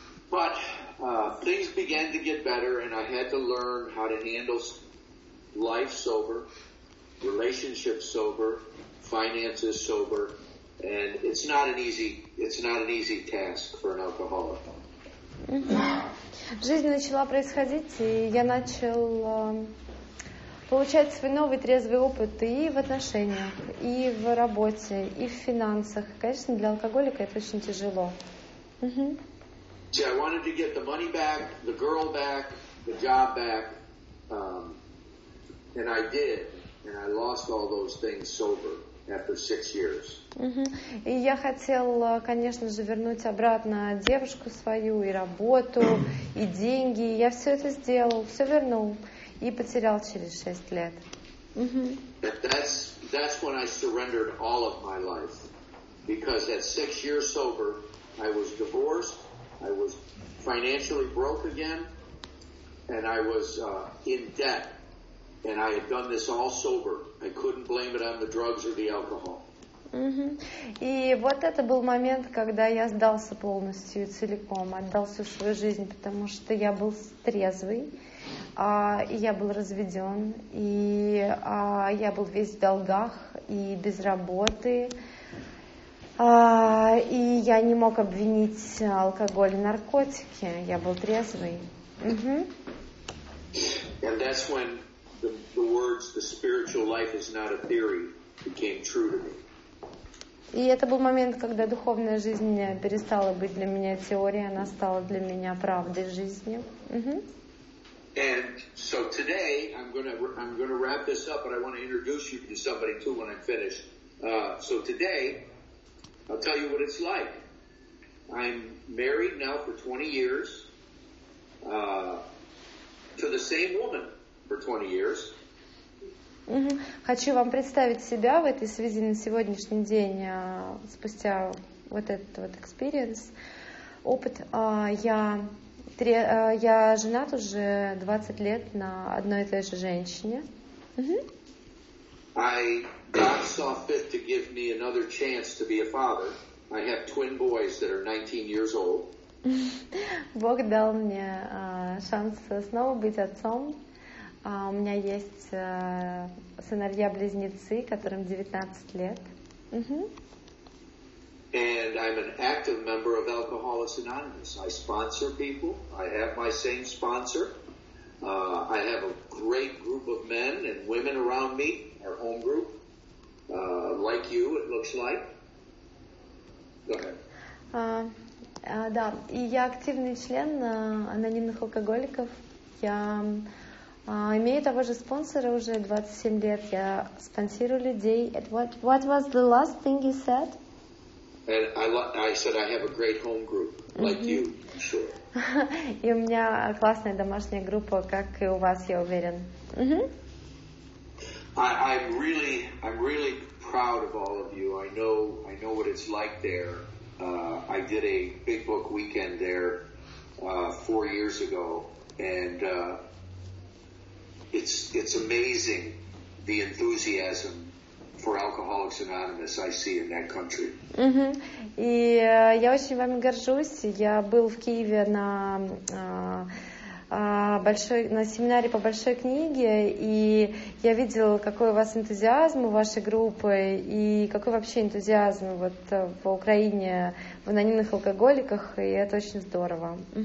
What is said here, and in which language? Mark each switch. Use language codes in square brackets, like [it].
[en] But things began to get better, and I had to learn how to handle life sober, relationships sober, finances sober. And it's not an easy task for an alcoholic. [ru] Жизнь начала происходить, и я начал получать свой новый трезвый опыт и в отношениях, и в работе, и в финансах. Конечно, для алкоголика это очень тяжело. [en] See, I wanted to get the money back, the girl back, the job back, and I did, and I lost all those things sober. After 6 years. [ru] И я хотел, конечно же, вернуть обратно девушку свою и работу, и деньги. Я все это сделал, все вернул и потерял через 6 лет. [en] But that's when I surrendered all of my life, because at 6 years sober, I was divorced, I was financially broke again, and I was in debt, and I had done this all sober. I couldn't blame it on the drugs or the alcohol. Угу. [ru] И вот это был момент, когда я сдался полностью, целиком, отдал всю свою жизнь, потому что я был трезвый, и я был разведен, и я был весь в долгах и без работы, и я не мог обвинить алкоголь и наркотики, я был трезвый. Угу. [en] And that's when the words "the spiritual life is not a theory" became true to me. [ru] И это был момент, когда духовная жизнь перестала быть для меня теорией, она стала для меня правдой жизни. [en] And so today I'm gonna wrap this up, but I want to introduce you to somebody too when I'm finished. So today I'll tell you what it's like. I'm married now for 20 years to the same woman for 20 years. [ru] Хочу вам представить себя в этой связи на сегодняшний день, спустя вот этот вот experience, опыт. Я женат уже 20 лет на одной и той же женщине. [en] God saw fit to give me another chance to be a father. I have twin boys that are 19 years old. [ru] Бог дал мне шанс снова быть отцом. У меня есть сыновья-близнецы, которым 19 лет. [en] And I'm an active member of Alcoholics Anonymous. I sponsor people. I have my same sponsor. I have a great group of men and women around me, our home group, like you, it looks like. Go ahead. [ru] Да, и я активный член анонимных алкоголиков. Я... имею того же спонсора уже 27 лет. Я спонсирую людей. [en] What was the last thing you said? And I said I have a great home group, like you. Sure. [ru] И у меня классная домашняя группа, как и у вас, я уверен. [en] I'm really proud of all of you. I know what it's like there. I did a big book weekend there 4 years ago, and It's amazing the enthusiasm for Alcoholics Anonymous I see in that country. [ru] И я очень вами горжусь. Я был в Киеве на семинаре по большой книге, и я видел, какой у вас энтузиазм у вашей группы, и какой вообще энтузиазм вот в Украине в анонимных алкоголиках, и это очень здорово.